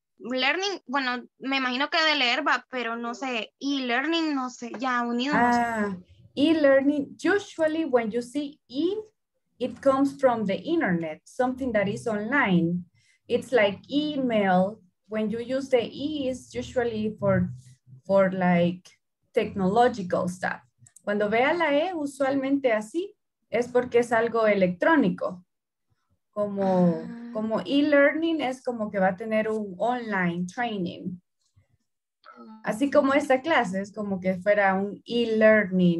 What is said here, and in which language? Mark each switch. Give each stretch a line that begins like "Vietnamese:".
Spanish: Learning, bueno, me imagino que de leer va, pero no sé, e-learning, no sé, ya unido.
English: Ah, e-learning, usually when you see e, it comes from the internet, something that is online. It's like email. When you use the e, it's usually for like technological stuff.
Spanish: Cuando vea la e, usualmente así, es porque es algo electrónico. Como e-learning es como que va a tener un
English: online training.
Spanish: Así como esta clase, es como que fuera un e-learning.